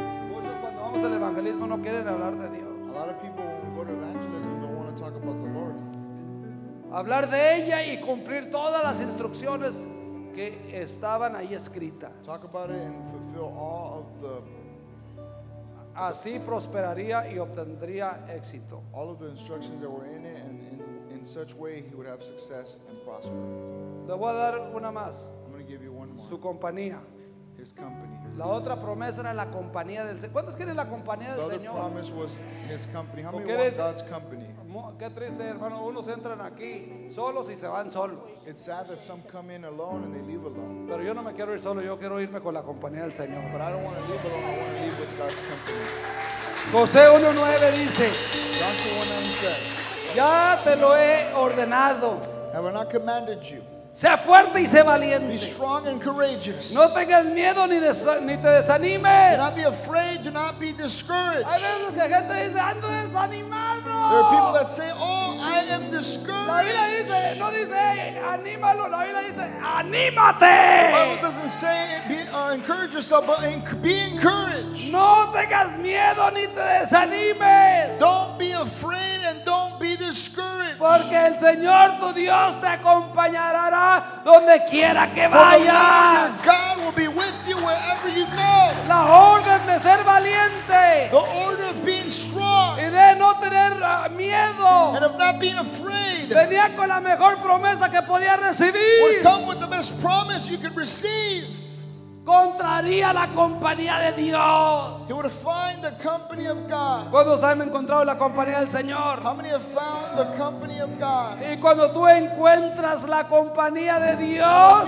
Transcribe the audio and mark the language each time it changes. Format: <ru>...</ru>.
<es>Muchos cuando vamos al evangelismo no quieren hablar de Dios.</es> <en>A lot of people when we go to evangelism don't want to talk about the Lord.</en> <es>Hablar de ella y cumplir todas las instrucciones que estaban ahí escritas.</es> <en>Talk about it and fulfill all of the.</en> <es>Así prosperaría y obtendría éxito.</es> <en>All of the instructions that were in it, and in such way he would have success and prosper.</en> <es>Le voy a dar una más.</es> <en>I'm going to give you one more.</en> <es>Su compañía.</es> <en>His company.</en> <es>La otra promesa era la compañía del Señor. ¿Cuántos quieren la compañía del Señor?</es> <en>The other promise was his company. How many want God's company?</en> <es>Qué triste, hermano. Unos entran aquí solos y se van solos.</es> <en>It's sad that some come in alone and they leave alone.</en> <es>Pero yo no me quiero ir solo. Yo quiero irme con la compañía del Señor.</es> <en>But I don't want to leave alone. I want to leave with God's company.</en> <es>José 1:9 dice.</es> <en>John 1:9 says.</en> <es>Ya te lo he ordenado.</es> <en>Have I not commanded you?</en> <es>Sea fuerte y sea valiente.</es> <en>Be strong and courageous.</en> <es>No tengas miedo ni te desanimes.</es> <en>Do not be afraid, do not be discouraged.</en> <es>Hay veces que gente dice, ando desanimado.</es> <en>There are people that say, oh, I am discouraged.</en> <es>La Biblia dice, no dice, anímalo. La Biblia dice, anímate.</es> <en>The Bible doesn't say, encourage yourself, but be encouraged.</en> <es>No tengas miedo ni te desanimes.</es> <en>Don't be afraid and don't be discouraged.</en> <es>Porque el Señor tu Dios te acompañará donde quiera que vayas.</es> <en>God will be with you wherever you go.</en> <es>La orden de ser valiente.</es> <en>The order of being strong.</en> <es>Y de no tener miedo.</es> <en>And of not being afraid.</en> <es>Venía con la mejor promesa que podía recibir.</es> <en>Would come with the best promise you could receive.</en> <es>Contraría la compañía de Dios.</es> <en>He would find the company of God.</en> <es>¿Cuántos han encontrado la compañía del Señor?</es> <en>How many have found the company of God?</en> <es>Y cuando tú encuentras la compañía de Dios,</es>